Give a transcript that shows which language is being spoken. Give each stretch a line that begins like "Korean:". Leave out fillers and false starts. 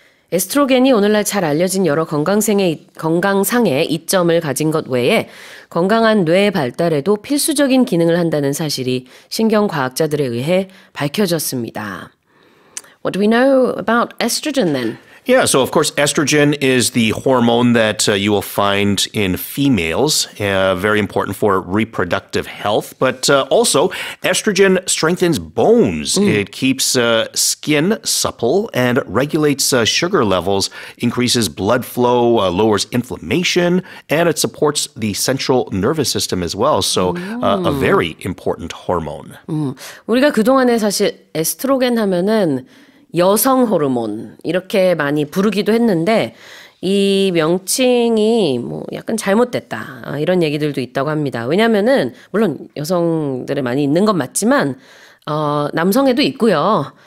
Korean: 에스트로겐이 오늘날 잘 알려진 여러 건강상의 이점을 가진 것 외에 건강한 뇌 발달에도 필수적인 기능을 한다는 사실이 신경과학자들에 의해 밝혀졌습니다.
English: What do we know about estrogen then? Yeah, so of course, estrogen is the hormone that you will find in females, very important for reproductive health. But also, estrogen strengthens bones. Mm. It keeps skin supple and regulates sugar levels, increases blood flow, lowers inflammation, and it supports the central nervous system as well. So a very important hormone. Mm.
Korean: 우리가 그동안에 사실 에스트로겐 하면은 여성 호르몬 이렇게 많이 부르기도 했는데 이 명칭이 뭐 약간 잘못됐다 이런 얘기들도 있다고 합니다. 왜냐하면은 물론 여성들에 많이 있는 건 맞지만 남성에도 있고요.